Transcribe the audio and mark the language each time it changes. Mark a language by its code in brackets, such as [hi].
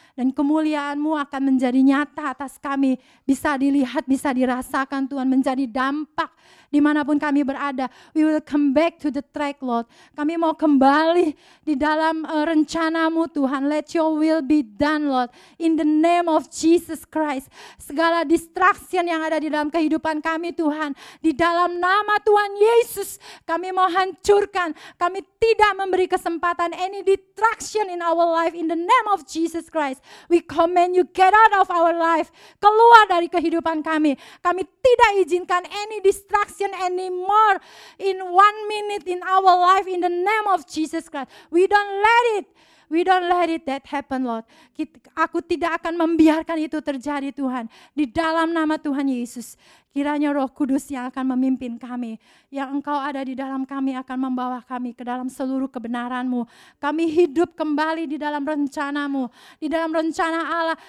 [id] Dan kemuliaan-Mu akan menjadi nyata atas kami, bisa dilihat, bisa dirasakan Tuhan, menjadi dampak dimanapun kami berada. [en] We will come back to the track Lord. [id] Kami mau kembali di dalam rencana-Mu Tuhan. [en] Let your will be done Lord. In the name of Jesus Christ. [id] Segala distraction yang ada di dalam kehidupan kami Tuhan, di dalam nama Tuhan Yesus, kami mau hancurkan. Kami tidak memberi kesempatan [en] any distraction in our life. In the name of Jesus Christ, we command you get out of our life. [id] Keluar dari kehidupan kami. Kami tidak izinkan [en] any distraction anymore in one minute in our life. In the name of Jesus Christ, we don't let it. We don't let it that happen, Lord. [id] Aku tidak akan membiarkan itu terjadi, Tuhan. Di dalam nama Tuhan Yesus, kiranya Roh Kudus yang akan memimpin kami, yang Engkau ada di dalam kami, akan membawa kami ke dalam seluruh kebenaran-Mu. Kami hidup kembali di dalam rencana-Mu, di dalam rencana Allah.